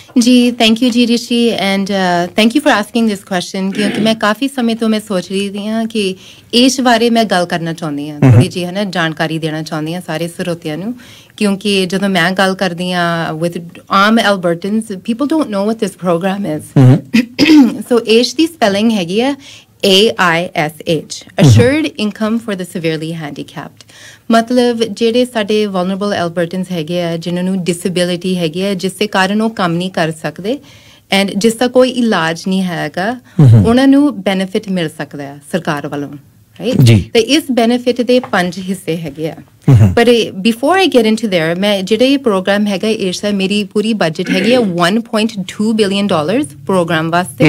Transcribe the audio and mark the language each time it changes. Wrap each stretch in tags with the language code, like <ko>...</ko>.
<pa>ਜੀ,</pa> <en>thank you ਜੀ Rishi, and thank you for asking this question,</en> <pa>ਕਿਉਂਕਿ ਮੈਂ ਕਾਫੀ ਸਮੇਂ ਤੋਂ ਮੈਂ ਸੋਚ ਰਹੀ ਹਾਂ ਕਿ ਇਸ ਬਾਰੇ ਮੈਂ ਗੱਲ ਕਰਨਾ ਚਾਹੁੰਦੀ ਹਾਂ, ਥੋੜ੍ਹੀ ਜਿਹੀ ਹੈ ਨਾ ਜਾਣਕਾਰੀ ਦੇਣਾ ਚਾਹੁੰਦੀ ਹਾਂ ਸਾਰੇ ਸਰੋਤਿਆਂ ਨੂੰ, ਕਿਉਂਕਿ ਜਦੋਂ ਮੈਂ ਗੱਲ ਕਰਦੀ ਹਾਂ</pa> <en>With um Albertans, people don't know what this program is.</en> <pa>So ਏਸ਼ ਦੀ spelling ਹੈਗੀ ਹੈ AISH, Assured Income for the Severely Handicapped. ਮਤਲਬ ਜਿਹੜੇ ਸਾਡੇ ਵਲਨਰੇਬਲ ਐਲਬਰਟਨਸ ਹੈਗੇ ਆ, ਜਿਹਨਾਂ ਨੂੰ ਡਿਸੇਬਿਲਿਟੀ ਹੈਗੀ ਹੈ ਜਿਸ ਦੇ ਕਾਰਨ ਉਹ ਕੰਮ ਨਹੀਂ ਕਰ ਸਕਦੇ ਐਂਡ ਜਿਸ ਦਾ ਕੋਈ ਇਲਾਜ ਨਹੀਂ ਹੈਗਾ, ਉਹਨਾਂ ਨੂੰ ਬੈਨੀਫਿਟ ਮਿਲ ਸਕਦਾ ਹੈ ਸਰਕਾਰ ਵੱਲੋਂ, ਰਾਈਟ? ਤੇ ਇਸ ਬੈਨੀਫਿਟ ਦੇ 5 hisses ਹੈਗੇ ਆ। ਪਰ</pa> <en>before I get into there,</en> <pa>ਮੈਂ ਜਿਹੜਾ ਇਹ ਪ੍ਰੋਗਰਾਮ ਹੈਗਾ ਏਸ਼ ਦਾ, ਮੇਰੀ ਪੂਰੀ ਬਜਟ ਹੈਗੀ ਹੈ $1.2 billion ਪ੍ਰੋਗਰਾਮ ਵਾਸਤੇ,</pa>